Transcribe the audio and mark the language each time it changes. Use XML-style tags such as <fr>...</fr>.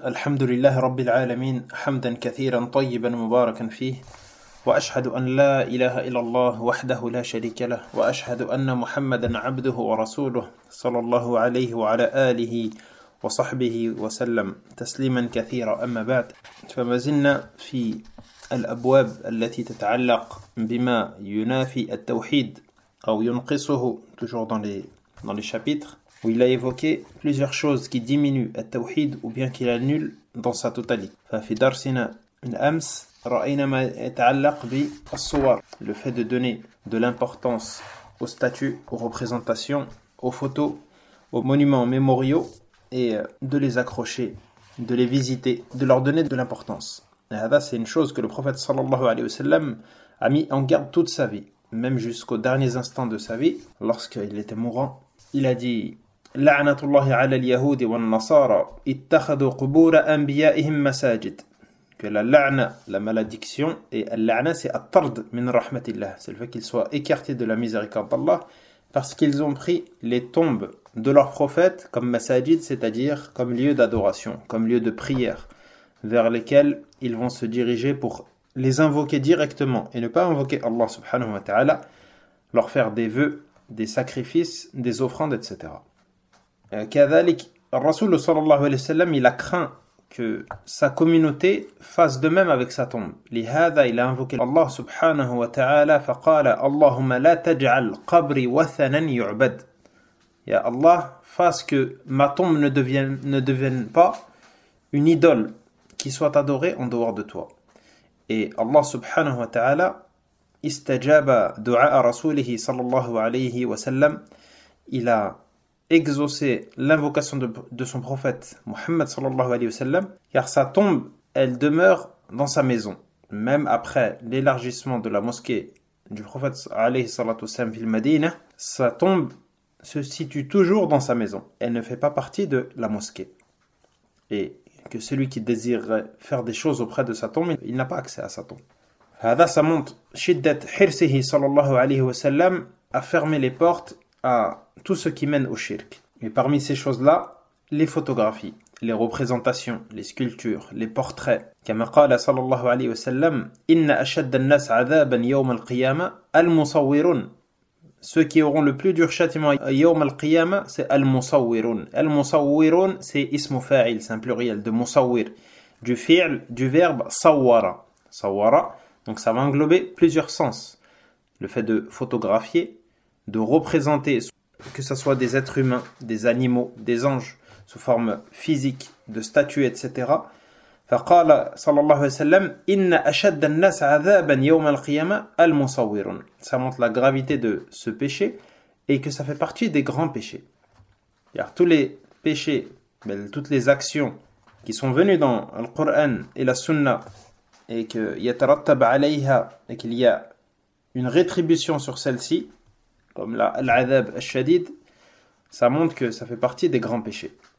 <ar>الحمد لله رب العالمين، حمدا كثيرا طيبا مباركا فيه، وأشهد أن لا إله إلا الله وحده لا شريك له، وأشهد أن محمدا عبده ورسوله، صلى الله عليه وعلى آله وصحبه وسلم تسليما كثيرا. أما بعد، فما زلنا في الأبواب التي تتعلق بما ينافي التوحيد أو ينقصه،</ar> <fr>toujours dans les chapitres. Où il a évoqué plusieurs choses qui diminuent le tawhid ou bien qu'il annule dans sa totalité.</fr> <ar>Fi darsina al-ams ra'ayna ma yata'allaq bi as-suwar,</ar> <fr>le fait de donner de l'importance aux statues, aux représentations, aux photos, aux monuments mémoriaux et de les accrocher, de les visiter, de leur donner de l'importance. Hada, c'est une chose que le prophète sallallahu alayhi wa sallam a mis en garde toute sa vie, même jusqu'aux derniers instants de sa vie lorsqu'il était mourant. Il a dit:</fr> <ar>لعنة الله على اليهود والنصارى اتخذوا قبور أنبيائهم مساجد.</ar> <fr>Que la la'na, la malédiction, et la'na c'est</fr> <ar>at-tard min rahmatillah,</ar> <fr>c'est le fait qu'ils soient écartés de la miséricorde d'Allah parce qu'ils ont pris les tombes de leurs prophètes comme masajid, c'est-à-dire comme lieu d'adoration, comme lieu de prière vers lesquels ils vont se diriger pour les invoquer directement et ne pas invoquer Allah subhanahu wa ta'ala, leur faire des vœux, des sacrifices, des offrandes, etc.</fr> <ar>كذلك الرسول صلى الله عليه وسلم</ar> <fr>il a craint que sa communauté fasse de même avec sa tombe.</fr> <ar>لهذا</ar> <fr>il a invoqué Allah</fr> <ar>سبحانه وتعالى فقال اللهم لا تجعل قبري وثنا يعبد.</ar> <fr>Ya Allah, fasse que ma tombe ne devienne pas une idole qui soit adorée en dehors de toi. Et Allah سبحانه وتعالى</fr> <ar>استجاب دعاء رسوله صلى الله عليه وسلم</ar> <fr>il a exaucer l'invocation de son prophète Mohammed sallallahu alayhi wa sallam, car sa tombe, elle demeure dans sa maison, même après l'élargissement de la mosquée du prophète alayhi sallallahu alayhi wa sallam fil Madina, sa tombe se situe toujours dans sa maison, elle ne fait pas partie de la mosquée. Et que celui qui désirerait faire des choses auprès de sa tombe, il n'a pas accès à sa tombe. Hada, ça montre</fr> <ar>shiddat hirsihi</ar> <fr>sallallahu alayhi wa sallam à fermer les portes à tout ce qui mène au shirk. Et parmi ces choses-là, les photographies, les représentations, les sculptures, les portraits.</fr> <ar>Comme قال صلى الله عليه وسلم إن أشد الناس عذابا يوم القيامة المصورون.</ar> <fr>Ceux qui auront le plus dur châtiment</fr> <ar>يوم القيامة,</ar> <fr>c'est المصورون. المصورون, c'est</fr> <ar>اسم فاعل,</ar> <fr>c'est un pluriel de مصور, du fi'l, du verbe صورا. صورا, donc ça va englober plusieurs sens. Le fait de photographier, de représenter, que ce soit des êtres humains, des animaux, des anges, sous forme physique, de statues, etc.</fr> <ar>فقال صلى الله عليه وسلم إن أشد الناس عذابا يوم القيامة المصورون.</ar> <fr>Ça montre la gravité de ce péché et que ça fait partie des grands péchés. Car tous les péchés, toutes les actions qui sont venues dans le Coran et la Sunna et que</fr> <ar>يترتب عليها</ar> <fr>et qu'il y a une rétribution sur celle-ci, comme l'adhab al-shadid, ça montre que ça fait partie des grands péchés.</fr>